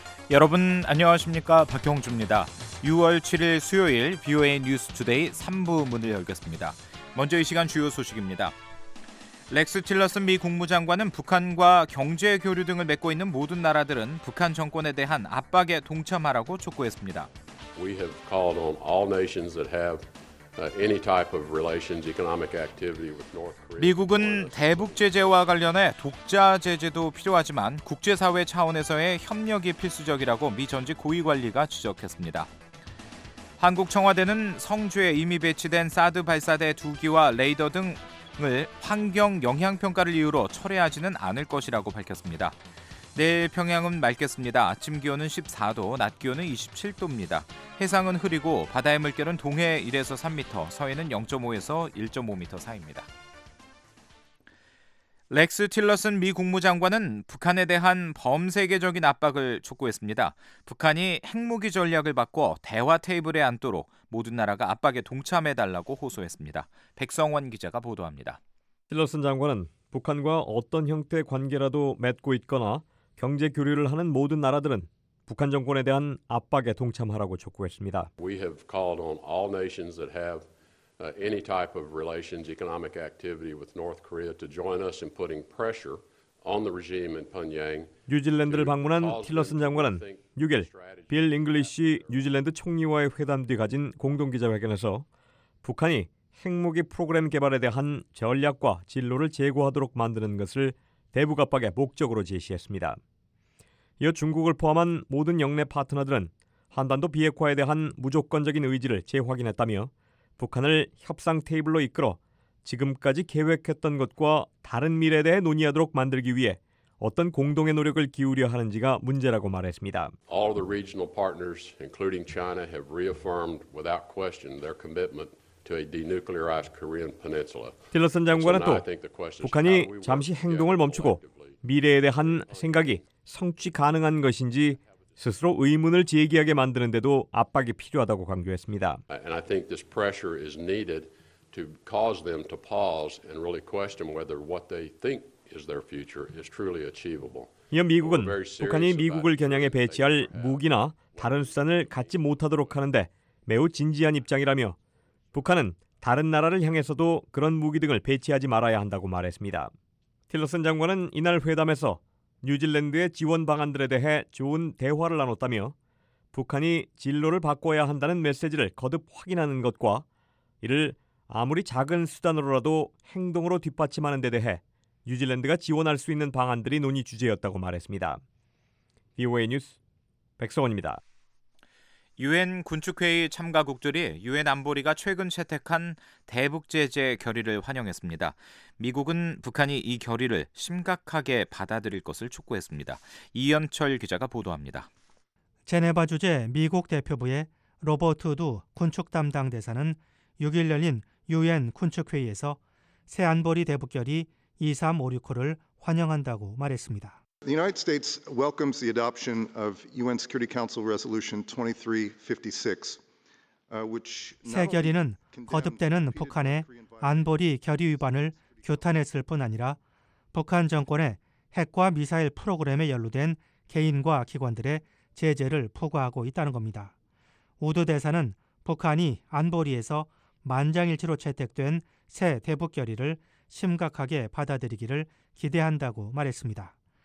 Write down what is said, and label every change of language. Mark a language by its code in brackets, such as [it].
[ko] 여러분 안녕하십니까? 박형주입니다. 6월 7일 수요일 VOA 뉴스 투데이 3부 문을 열겠습니다. 먼저 이 시간 주요 소식입니다. 렉스 틸러슨 미 국무장관은 북한과 경제 교류 등을 맺고 있는 모든 나라들은 북한 정권에 대한 압박에 동참하라고 촉구했습니다. [en] We have called on all nations that have any type of relations, economic activity with North Korea. [ko] 미국은 대북 제재와 관련해 독자 제재도 필요하지만 국제 사회 차원에서의 협력이 필수적이라고 미 전직 고위 관리가 지적했습니다. 한국 청와대는 성주에 이미 배치된 사드 발사대 2기와 레이더 등 을 환경 영향 평가를 이유로 철회하지는 않을 것이라고 밝혔습니다. 내일 평양은 맑겠습니다. 아침 기온은 14도, 낮 기온은 27도입니다. 해상은 흐리고 바다의 물결은 동해 1에서 3m, 서해는 0.5에서 1.5m 사이입니다. 렉스 틸러슨 미 국무장관은 북한에 대한 범세계적인 압박을 촉구했습니다. 북한이 핵무기 전략을 바꿔 대화 테이블에 앉도록 모든 나라가 압박에 동참해달라고 호소했습니다. 백성원 기자가 보도합니다. 틸러슨 장관은 북한과 어떤 형태의 관계라도 맺고 있거나 경제 교류를 하는 모든 나라들은 북한 정권에 대한 압박에 동참하라고 촉구했습니다. [en] We have called on all nations that have any type of relations, economic activity with North Korea to join us in putting pressure on the regime in Pyongyang. [ko] 뉴질랜드를 방문한 틸러슨 장관은 6일 빌 잉글리시 뉴질랜드 총리와의 회담 뒤 가진 공동 기자회견에서 북한이 핵무기 프로그램 개발에 대한 전략과 진로를 제고하도록 만드는 것을 대북 압박의 목적으로 제시했습니다. 이어 중국을 포함한 모든 영내 파트너들은 한반도 비핵화에 대한 무조건적인 의지를 재확인했다며 북한을 협상 테이블로 이끌어 지금까지 계획했던 것과 다른 미래에 대해 논의하도록 만들기 위해 어떤 공동의 노력을 기울여 하는지가 문제라고 말했습니다. [en] All the regional partners, including China, have reaffirmed without question their commitment to a denuclearized Korean peninsula. [ko] 틸러슨 장관은 또 북한이 잠시 행동을 멈추고 미래에 대한 생각이 성취 가능한 것인지 스스로 의문을 제기하게 만드는 데도 압박이 필요하다고 강조했습니다. [en] And I think this pressure is needed to cause them to pause and really question whether what they think is their future is truly achievable. [ko] 이어 미국은 북한이 미국을 겨냥해 배치할 무기나 다른 수단을 갖지 못하도록 하는데 매우 진지한 입장이라며 북한은 다른 나라를 향해서도 그런 무기 등을 배치하지 말아야 한다고 말했습니다. 틸러슨 장관은 이날 회담에서 뉴질랜드의 지원 방안들에 대해 좋은 대화를 나눴다며 북한이 진로를 바꿔야 한다는 메시지를 거듭 확인하는 것과 이를 아무리 작은 수단으로라도 행동으로 뒷받침하는 데 대해 뉴질랜드가 지원할 수 있는 방안들이 논의 주제였다고 말했습니다. VOA 뉴스 백성원입니다. 유엔 군축회의 참가국들이 유엔 안보리가 최근 채택한 대북 제재 결의를 환영했습니다. 미국은 북한이 이 결의를 심각하게 받아들일 것을 촉구했습니다. 이현철 기자가 보도합니다. 제네바 주재 미국 대표부의 로버트 두 군축 담당 대사는 6일 열린 유엔 군축회의에서 새 안보리 대북 결의 23569를 환영한다고 말했습니다. [en] The United States welcomes the adoption of UN Security Council Resolution 2356, which [ko] 새 결의는 거듭되는 북한의 안보리 결의 위반을 규탄했을 뿐 아니라 북한 정권의 핵과 미사일 프로그램에 연루된 개인과 기관들의 제재를 포괄하고 있다는 겁니다. 우드 대사는 북한이 안보리에서 만장일치로 채택된 새 대북 결의를 심각하게 받아들이기를 기대한다고 말했습니다.